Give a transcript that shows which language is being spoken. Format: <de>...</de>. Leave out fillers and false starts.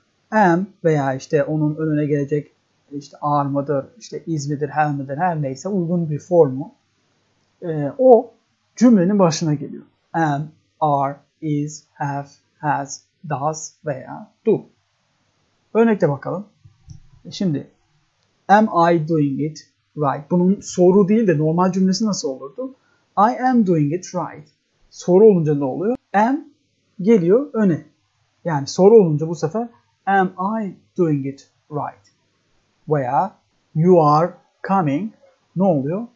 <tr>Am veya işte onun önüne gelecek işte are mıdır, işte is midir, have midir, her neyse uygun bir formu. O cümlenin başına geliyor. Am, are, is, have, has, does veya do. Örnekle bakalım.</tr> <en>Şimdi, am I doing it right?</en> <tr>Bunun soru değil de normal cümlesi nasıl olurdu?</tr> <en>I am doing it right.</en> <tr>Soru olunca ne oluyor? Am geliyor öne. Yani soru olunca bu sefer</tr> <en>am I doing it right?</en> <tr>Veya</tr> <en>you are coming</en> <tr>ne oluyor?</tr>